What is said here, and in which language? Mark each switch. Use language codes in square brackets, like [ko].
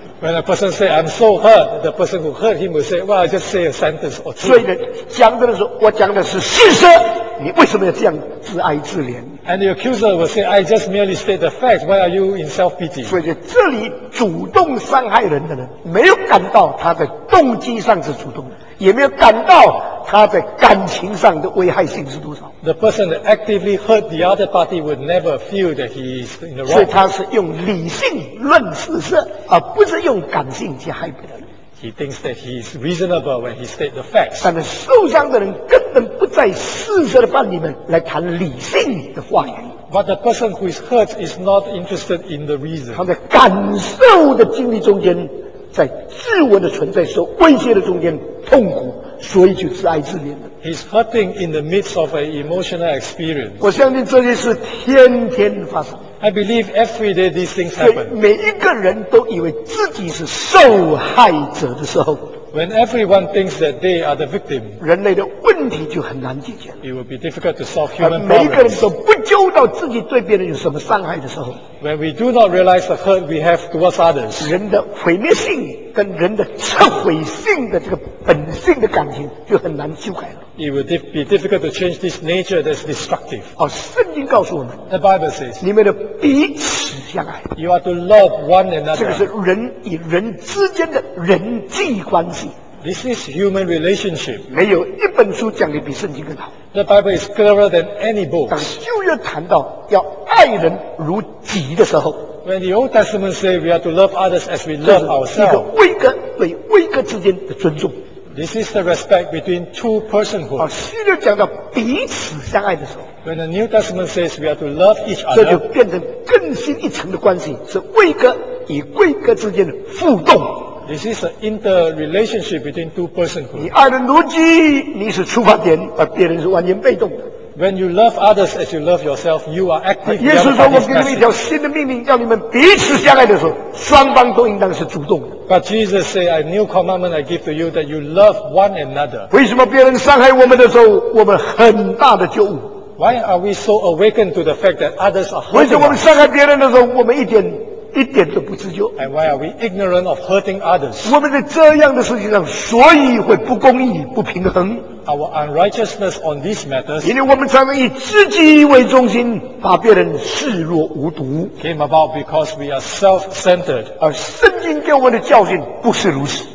[en] When a person say I'm so hurt, the person who hurt him will say, Well, I just say a sentence or two. [zh] 所以呢，讲的人说，我讲的是事实，你为什么要这样自哀自怜？ [en] And the accuser will say, I just merely state the facts. Why are you in self-pity? [zh] 所以这里主动伤害人的人，没有感到他的动机上是主动的，也没有感到他的感情上的危害性是多少。 [en] The person that actively hurt the other party would never feel that he is in the wrong. [zh] 所以他是用理性论事实，而不是用感性去害别人。 [en] He thinks that he is reasonable when he states the facts. [zh] 但是受伤的人根本不在事实的范围来谈理性的话语。 [en] But the person who is hurt is not interested in the reason. [zh] 他在感受的经历中间，在自我的存在受威胁的中间痛苦，所以就自哀自怜了。 [en] He's hurting in the midst of an emotional experience. [zh] 我相信这些事天天发生。 [en] I believe every day these things happen. [zh] 每一个人都以为自己是受害者的时候， [en] When everyone thinks that they are the victim, [zh] 人类的问题就很难解决。 [en] It will be difficult to solve human problems. [zh] 每一个人都不揪到自己对别人有什么伤害的时候， [en] When we do not realize the hurt we have towards others, [zh] 人的毁灭性跟人的摧毁性的这个本性的感情就很难修改了。 [en] It will be difficult to change this nature that's destructive. [zh] 圣经告诉我们， [en] The Bible says, [zh] 你们的彼此相爱， [en] You are to love one another. [zh] 这个是人与人之间的人际关系。 [en] This is human relationship. [zh] 没有一本书讲得比圣经更好。 [en] The Bible is clearer than any book. [zh] 当旧约谈到要爱人如己的时候， [en] When the Old Testament says we are to love others as we love ourselves. [zh] 这是一个威格对威格之间的尊重。 [en] This is the respect between two personhood. [zh] 新约讲到彼此相爱的时候， [en] When the New Testament says we are to love each other, [zh] 这就变成更新一层的关系，是威格与威格之间的互动。 [en] This is an interrelationship between two personhood. [zh] 你爱人如己，你是出发点，而别人是完全被动的。 [en] When you love others as you love yourself, you are active. [zh] 耶稣说：“我给你们一条新的命令，叫你们彼此相爱的时候，双方都应当是主动的。” [en] But Jesus said, "A new commandment I give to you, that you love one another." [zh] 为什么别人伤害我们的时候，我们很大的觉悟？ [en] Why are we so awakened to the fact that others are hurting us? [zh] 为什么我们伤害别人的时候，我们一点都不自觉？ [en] And why are we ignorant of hurting others? [zh] 我们在这样的事情上，所以会不公义、不平衡。 [en] Our unrighteousness on these matters, [zh] 因为我们常常以自己为中心，把别人视若无睹。 [en] Came about because we are self-centered. [zh] 而圣经给我们的教训不是如此。